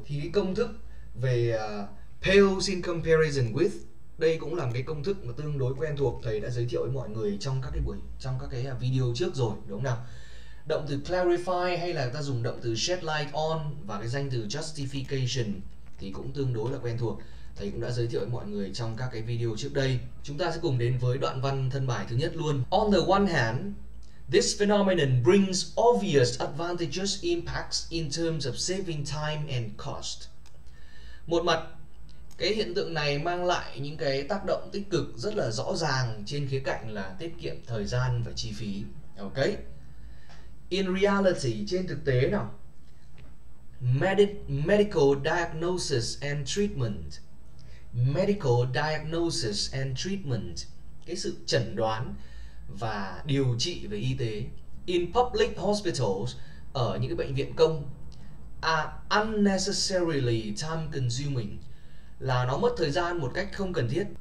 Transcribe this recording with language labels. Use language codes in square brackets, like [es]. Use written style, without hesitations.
[vi] Thì cái công thức về [en] pales in comparison with, [vi] đây cũng là một cái công thức mà tương đối quen thuộc, thầy đã giới thiệu với mọi người trong các cái buổi, trong các cái video trước rồi đúng không nào. Động từ clarify hay là ta dùng động từ [en] shed light on, [vi] và cái danh từ justification thì cũng tương đối là quen thuộc, thầy cũng đã giới thiệu với mọi người trong các cái video trước đây. Chúng ta sẽ cùng đến với đoạn văn thân bài thứ nhất luôn. [en] On the one hand, this phenomenon brings obvious advantageous impacts in terms of saving time and cost. [vi] Một mặt, Cái hiện tượng này mang lại những cái tác động tích cực rất là rõ ràng trên khía cạnh là tiết kiệm thời gian và chi phí. Ok. [en] In reality, [vi] trên thực tế nào, [en] medical diagnosis and treatment, [vi] medical diagnosis and treatment, cái sự chẩn đoán và điều trị về y tế, [en] in public hospitals, [vi] ở những cái bệnh viện công, [en] unnecessarily time consuming, [vi] là nó mất thời gian một cách không cần thiết.